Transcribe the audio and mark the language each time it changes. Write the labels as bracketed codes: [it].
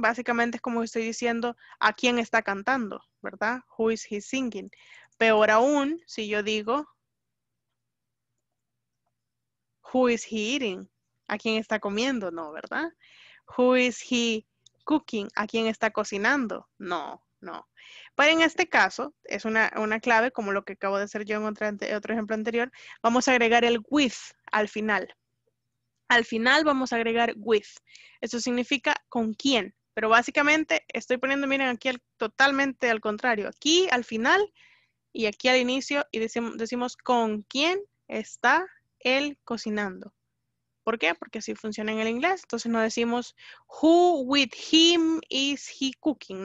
[es] Básicamente es como estoy diciendo a quién está cantando, ¿verdad? [en] Who is he singing? [es] Peor aún, si yo digo, [en] who is he eating? [es] ¿A quién está comiendo? No, ¿verdad? [en] Who is he cooking? [es] ¿A quién está cocinando? No, no. Pero en este caso, es una clave, como lo que acabo de hacer yo en otro ejemplo anterior, vamos a agregar el with al final. Al final vamos a agregar with. Eso significa con quién. Pero básicamente, estoy poniendo, miren, aquí totalmente al contrario. Aquí al final y aquí al inicio, y decimos con quién está él cocinando. ¿Por qué? Porque así funciona en el inglés. Entonces no decimos, [en] who with him is he cooking?